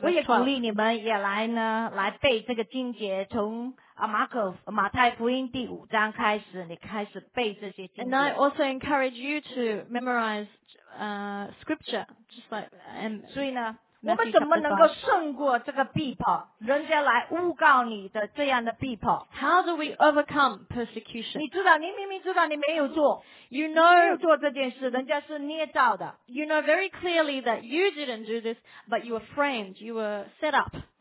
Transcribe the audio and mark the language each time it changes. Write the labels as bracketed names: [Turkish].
[Chinese] 我也鼓励你们也来呢，来背这个经节，从马太福音第五章开始，你开始背这些经节。 [English] And I also encourage you to memorize scripture, just like. [Chinese] 所以呢，我们怎么能够胜过这个逼迫？人家来诬告你的这样的逼迫。 [English] How do we overcome persecution? [Chinese] 你知道，你明明知道你没有做。 [English] You know, [Chinese] 没有做这件事，人家是捏造的。 [English] You know very clearly that you didn't do this, but you were framed, you were set up.